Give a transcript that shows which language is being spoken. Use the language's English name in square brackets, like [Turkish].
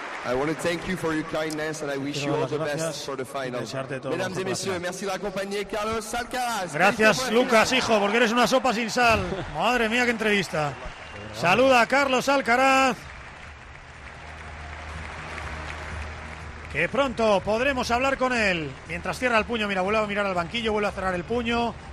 [English] I want to thank you for your kindness and I wish you all the best for the final. [French] Mesdames et messieurs, merci de la compagnie Carlos Alcaraz. [Spanish] Gracias, Lucas, hijo, porque eres una sopa sin sal. Madre mía, qué entrevista. Saluda a Carlos Alcaraz. Que pronto podremos hablar con él. Mientras cierra el puño, mira, vuelve a mirar al banquillo, vuelve a cerrar el puño.